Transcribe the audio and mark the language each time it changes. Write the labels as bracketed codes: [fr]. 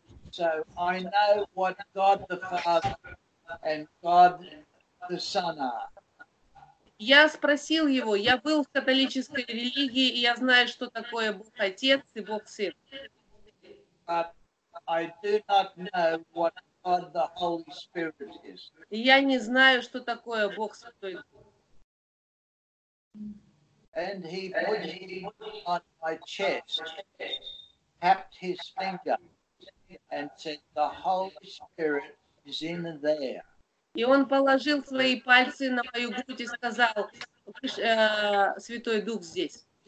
[en] So I know what God the Father and God the Son are. [ru] Я спросил его, я был в католической религии, и я знаю, что такое Бог Отец и Бог Сын. [en] I do not know what God the Holy Spirit is. [ru] Я не знаю, что такое Бог Святой. [en] And he put it on my chest, tapped his finger, and said, "The Holy Spirit is in there." [ru] И он положил свои пальцы на мою грудь и сказал, Святой Дух здесь.